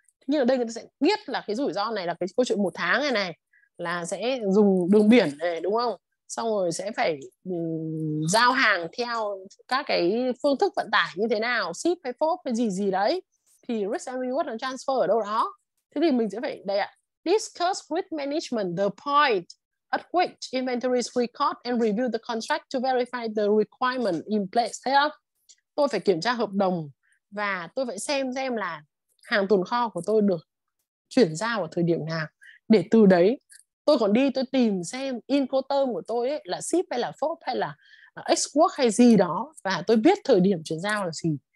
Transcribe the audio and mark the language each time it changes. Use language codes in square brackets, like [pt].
[vi] Nhưng ở đây người ta sẽ biết là cái rủi ro này là cái câu chuyện một tháng này này, là sẽ dùng đường biển này, đúng không? Xong rồi sẽ phải giao hàng theo các cái phương thức vận tải như thế nào, ship hay phốp hay gì gì đấy, thì [en] risk and reward and transfer [vi] ở đâu đó. Thế thì mình sẽ phải đây ạ, [en] discuss with management the point at which inventory is recorded and review the contract to verify the requirement in place. [vi] Thấy không? Tôi phải kiểm tra hợp đồng và tôi phải xem là hàng tồn kho của tôi được chuyển giao ở thời điểm nào. Để từ đấy tôi còn đi tôi tìm xem Incoterm của tôi ấy là ship hay là phốp hay là export hay gì đó, và tôi biết thời điểm chuyển giao là gì.